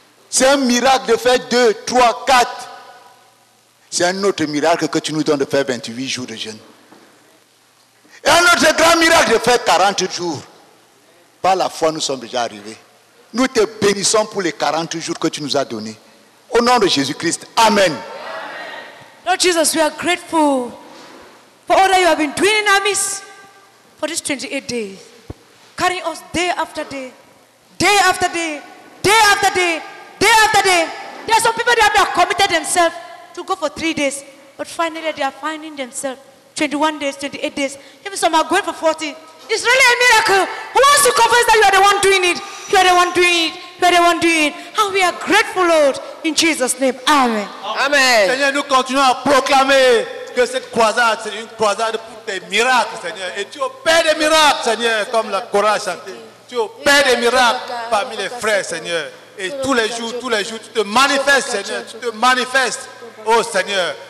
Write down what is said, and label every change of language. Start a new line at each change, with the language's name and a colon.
French: C'est un miracle de faire 2, 3, 4. C'est un autre miracle que tu nous donnes de faire 28 jours de jeûne. Et un autre grand miracle de faire 40 jours. Par la foi, nous sommes déjà arrivés. Nous te bénissons pour les 40 jours que tu nous as donnés. Au nom de Jésus-Christ. Amen.
English: Lord Jesus, we are grateful for all that you have been doing in our midst for these 28 days. Carrying us day after day, day after day, day after day, day after day. There are some people that have committed themselves to go for 3 days, but finally they are finding themselves 21 days, 28 days. Even some are going for 40. It's really a miracle. Who wants to confess that you are the one doing it? You are the one doing it. You are the one doing it. And we are grateful, Lord, in Jesus' name. Amen. Amen.
French: Seigneur, nous continuons à proclamer que cette croisade, c'est une croisade pour tes miracles, Seigneur. Et tu opères des miracles, Seigneur, comme la chorale chantée. Tu opères des miracles parmi les frères, Seigneur. Et tous les jours, tu te manifestes, Seigneur. Tu te manifestes, oh Seigneur.